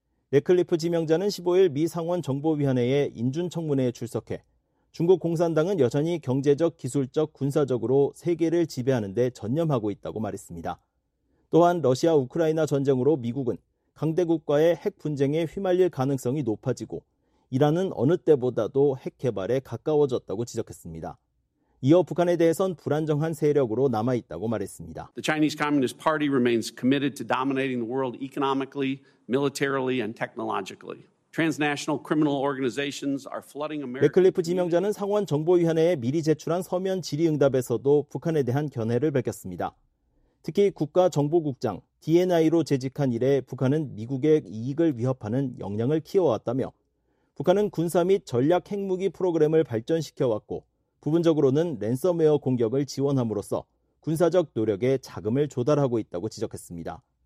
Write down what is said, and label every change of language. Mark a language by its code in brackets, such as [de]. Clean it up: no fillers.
[ko] 래클리프 지명자는 15일 미 상원정보위원회의 인준청문회에 출석해 중국 공산당은 여전히 경제적, 기술적, 군사적으로 세계를 지배하는 데 전념하고 있다고 말했습니다. 또한 러시아 우크라이나 전쟁으로 미국은 강대국과의 핵 분쟁에 휘말릴 가능성이 높아지고 이란은 어느 때보다도 핵 개발에 가까워졌다고 지적했습니다. 이어 북한에 대해선 불안정한 세력으로 남아 있다고 말했습니다. [en] The Chinese Communist Party remains committed to dominating the world economically, militarily and technologically. Transnational criminal organizations are flooding America. [ko] 맥클리프 지명자는 상원 정보위원회에 미리 제출한 서면 질의응답에서도 북한에 대한 견해를 밝혔습니다. 특히 국가정보국장 DNI로 재직한 이래 북한은 미국의 이익을 위협하는 역량을 키워왔다며 북한은 군사 및 전략 핵무기 프로그램을 발전시켜왔고 부분적으로는 랜섬웨어 공격을 지원함으로써 군사적 노력에 자금을 조달하고 있다고 지적했습니다.